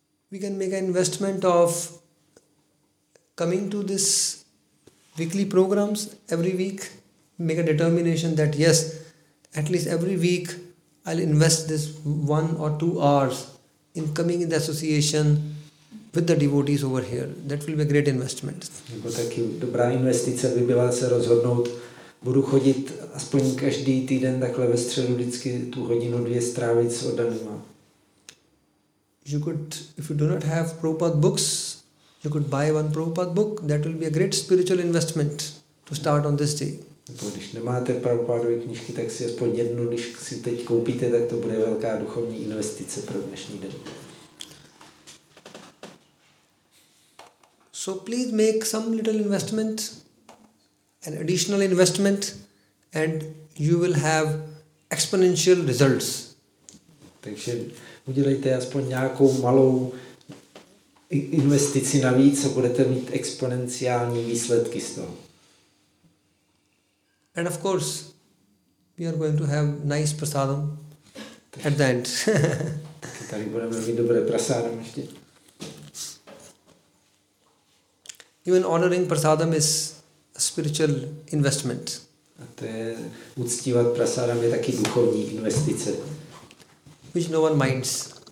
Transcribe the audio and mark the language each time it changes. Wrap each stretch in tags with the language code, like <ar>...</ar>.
<en>We can make an investment of coming to this weekly programs every week, make a determination that yes, at least every week I'll invest this 1 or 2 hours in coming in the association with the devotees over here. That will be a great investment.</en> <cs>Jako taky dobrá investice by byla se rozhodnout, budu chodit aspoň každý týden takhle ve středu vždycky tu hodinu dvě strávit s oddanýma.</cs> <en>You could, if you do not have Prabhupada books, you could buy one Prabhupada book. That will be a great spiritual investment to start on this day.</en> <cs>Když nemáte Prabhupádové knížky, tak si aspoň jednu, když si teď koupíte, tak to bude velká duchovní investice pro dnešní den.</cs> <en>So please make some little investment, an additional investment, and you will have exponential results.</en> <cs>Takže udělejte aspoň nějakou malou investici navíc a budete mít exponenciální výsledky z toho.</cs> <en>And of course, we are going to have nice prasadam at the end.</en> <cs>Tady budeme mít dobré prasadam ještě.</cs> <en>Even honoring prasadam is a spiritual investment.</en> <cs>A to je, uctívat prasadam je taky duchovní investice.</cs> <en>Which no one minds.</en>